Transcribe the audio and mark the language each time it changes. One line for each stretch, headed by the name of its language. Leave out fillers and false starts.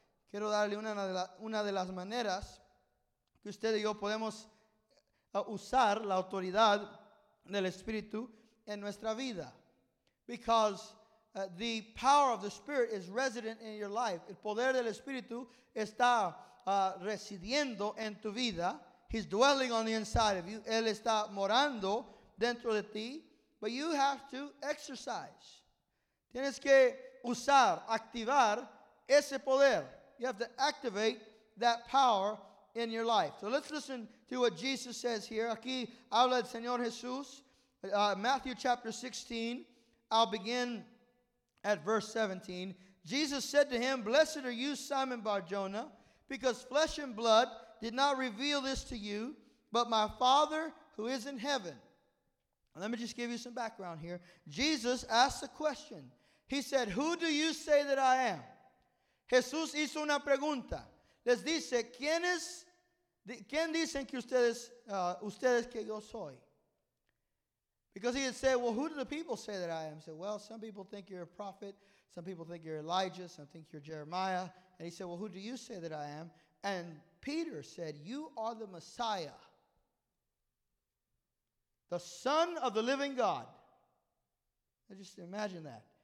Spanish: Quiero darle una de las maneras que usted y yo podemos usar la autoridad del Espíritu en nuestra vida.
English: Because the power of the Spirit is resident in your life.
Spanish: El poder del Espíritu está residiendo en tu vida.
English: He's dwelling on the inside of you.
Spanish: Él está morando dentro de ti.
English: But you have to exercise.
Spanish: Tienes que usar, activar ese poder.
English: You have to activate that power in your life. So let's listen to what Jesus says here.
Spanish: Aquí habla el Señor Jesús.
English: Matthew chapter 16. I'll begin at verse 17, Jesus said to him, blessed are you, Simon Barjona, because flesh and blood did not reveal this to you, but my Father who is in heaven. Let me just give you some background here. Jesus asked a question. He said, who do you say that I am?
Spanish: Jesús hizo una pregunta. Les dice, ¿quién dicen que ustedes que yo soy?
English: Because he had said, well, who do the people say that I am? He said, well, some people think you're a prophet. Some people think you're Elijah. Some think you're Jeremiah. And he said, well, who do you say that I am? And Peter said, you are the Messiah, the Son of the living God. Now just imagine that.